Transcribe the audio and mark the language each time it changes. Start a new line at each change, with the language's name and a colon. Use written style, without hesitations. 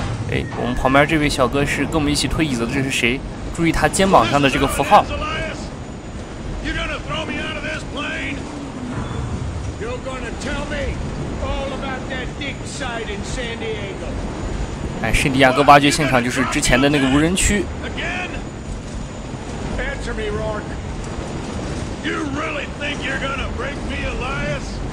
Chinese: 哎，我们旁边这位小哥是跟我们一起推椅子的，这是谁？注意他肩膀上的这个符号。
English: You're gonna throw me out of this plane? You're gonna tell me all about that dig site in San Diego?
Chinese: 哎，圣地亚哥挖掘现场就是之前的那个无人区。
English: Again? Answer me, Rourke. You really think you're gonna break me, Elias?